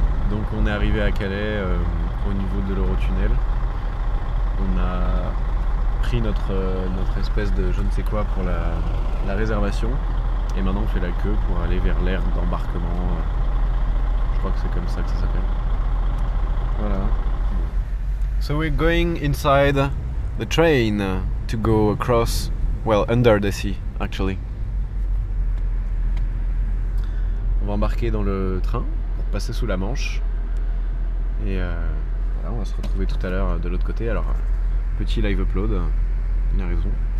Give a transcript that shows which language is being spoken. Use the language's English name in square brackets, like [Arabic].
[French] Donc on est arrivé à Calais au niveau de l'Eurotunnel. On a pris notre espèce de je ne sais quoi pour la réservation. Et maintenant on fait la queue pour aller vers l'aire d'embarquement. Je crois que c'est comme ça que ça s'appelle. Voilà. [English] So we're going inside the train to go across, well, under the sea, actually. [French] On va embarquer dans le train pour passer sous la Manche. Et voilà, on va se retrouver tout à l'heure de l'autre côté. Alors, petit live upload, il a raison.